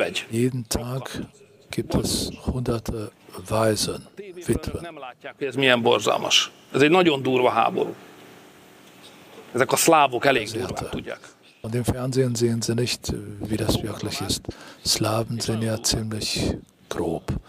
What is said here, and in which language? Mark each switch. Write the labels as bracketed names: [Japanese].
[German] Jeden Tag gibt es Hunderte Waisen, Witwen. [Hungarian] Ez milyen borzalmas. Ez egy nagyon durva háború. Ezek a szlávok elég durván tudják. [German] Und im Fernsehen sehen sie nicht, wie das wirklich ist. Slaven sind ja ziemlich grob.